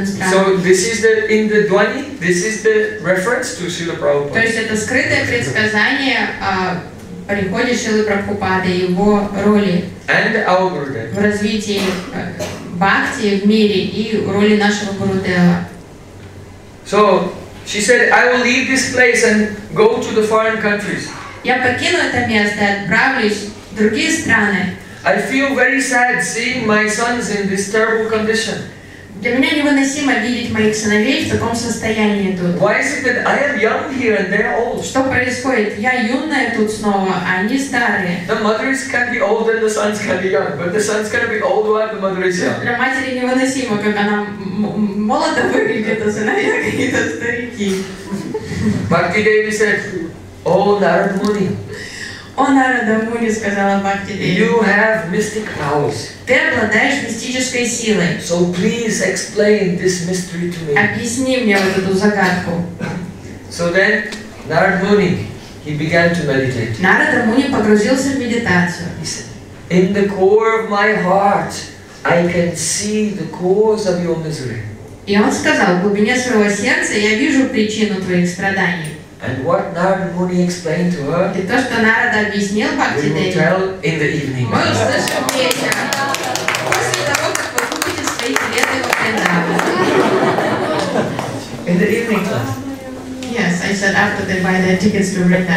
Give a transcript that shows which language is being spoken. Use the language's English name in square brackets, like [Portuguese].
[English] So this is the in the Dwani, this is the reference to Srila Prabhupada. [Russian] То есть это скрытое предсказание о приходе Шрилы Прабхупады и его роли в развитии бхакти в мире и роли нашего Гурудева. [English] So she said, I will leave this place and go to the foreign countries. [Russian] Я покину это место и отправлюсь в другие страны. [English] I feel very sad seeing my sons in this terrible condition. [Russian] Для меня невыносимо видеть моих сыновей в таком состоянии тут. [English] Why is it that I am young here and they are old? [Russian] Что происходит? Я юная тут снова, а они старые. [English] The mothers can be old and the sons can be young, but the sons can be old while the mother is young. [Russian] Для матери невыносимо, как она молодо выглядит, а сыновья какие-то старики. [English] Bhakti Devi said, "О, Narad Muni." [Russian] О, Narada Muni, сказала Bhakti Devi. [English] You have mystic powers. [Russian] Ты обладаешь мистической силой. [English] So please explain this mystery to me. [Russian] Объясни мне вот эту загадку. [English] So then, Narad Muni, he began to meditate. [Russian] Narada Muni погрузился в медитацию. [English] He said, in the core of my heart, I can see the cause of your misery. [Russian] И он сказал, в глубине своего сердца я вижу причину твоих страданий. [English] And what Narada Muni explained to her, [Russian] то, что Narada объяснил Bhakti Devi, [English] we will tell in the evening. [Russian] Мы услышим вечером. После того, как вы купите свои билеты в Вриндаван. [English] In the evening class. Yes, I said after they buy their tickets to Vrindavan.